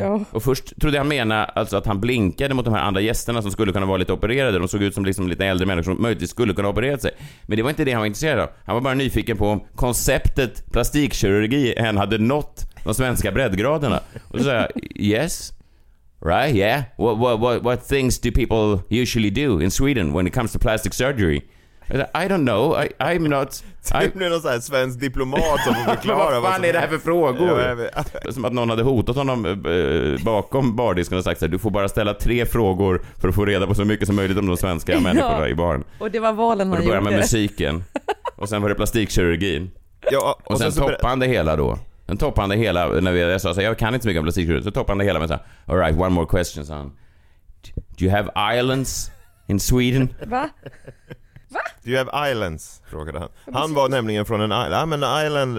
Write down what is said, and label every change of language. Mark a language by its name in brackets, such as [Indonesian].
[Swedish] Och först trodde jag mena alltså att han blinkade mot de här andra gästerna som skulle kunna vara lite opererade. De såg ut som liksom lite äldre människor som möjligtvis skulle kunna operera sig. Men det var inte det han var intresserad av. Han var bara nyfiken på om konceptet plastikkirurgi än hade nått de svenska breddgraderna. Och så sa jag, [English] yes, right, yeah. What things do people usually do in Sweden when it comes to plastic surgery? I don't know, I'm not... [Swedish] Typ nu är någon sån här svensk diplomat som förklara vad fan är det här för frågor? Som att någon hade hotat honom bakom bardisken och sagt så här, du får bara ställa tre frågor för att få reda på så mycket som möjligt om de svenska människorna i baren. Och det var valen han gjorde. Och då började med musiken. Och sen var det plastikkirurgin. Ja, och sen toppande hela då. Sen toppande hela när vi sa så jag kan inte så mycket om plastikkirurgin, så toppande hela med så här, [English] all right, one more question, son. Do you have islands in Sweden? [Swedish] Va? Va? [English] Do you have islands? [Swedish] Frågade han. Han var nämligen från en island.